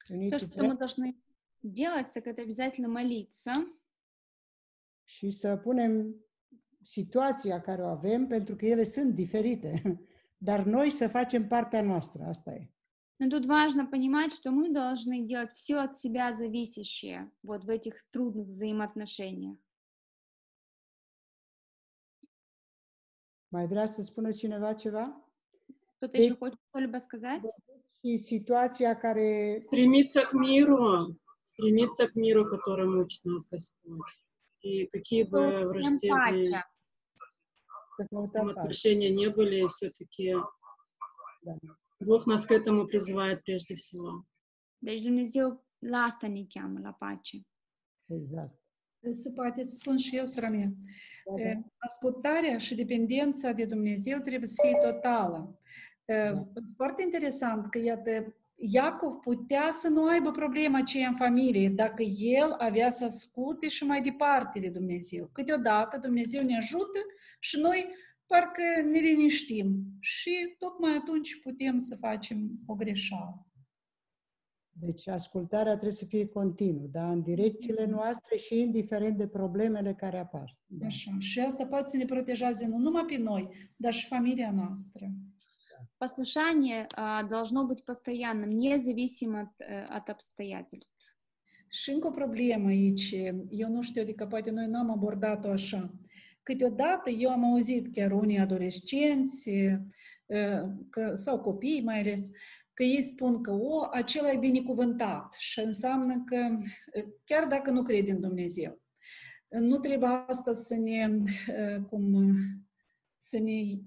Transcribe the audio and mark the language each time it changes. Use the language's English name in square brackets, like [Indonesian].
[Russian] То, что мы должны делать, так это обязательно молиться. [Romanian] Și să punem situația care o avem, pentru că ele sunt diferite. Dar noi să facem partea noastră, asta e. [Russian] Но тут важно понимать, что мы должны делать все от себя зависящее вот в этих трудных взаимоотношениях. [Romanian] Mai vrea să spună cineva ceva? [Russian] Кто-то еще хочет что-либо сказать? И ситуация, care... Стремиться к миру, который мучит нас Господь. И какие бы враждебные отношения не были, все-таки... Бог нас к этому призывает прежде всего. [Romanian] Deci Dumnezeu la asta ne cheamă, la pace. Exact. Să poate să spun și eu, sora mea. Ascultarea și dependența de Dumnezeu trebuie să fie totală. Foarte interesant că, iată, Iacov putea să nu aibă problema aceea în familie dacă el avea să asculte și mai departe de Dumnezeu. Câteodată Dumnezeu ne ajută și noi... parcă ne liniștim și tocmai atunci putem să facem o greșeală. Deci ascultarea trebuie să fie continuă, da? În direcțiile noastre și indiferent de problemele care apar. Da. Așa. Și asta poate să ne protejeze nu numai pe noi, dar și familia noastră. [Russian] Послушание должно быть постоянным, независимо от обстоятельств. [Romanian] Și încă o problemă aici, eu nu știu, adică poate noi n-am abordat-o așa. Câteodată eu am auzit chiar unii adolescenți că, sau copiii mai ales, că ei spun că, o, acela e binecuvântat și înseamnă că, chiar dacă nu cred în Dumnezeu, nu trebuie asta să ne, cum, să ne,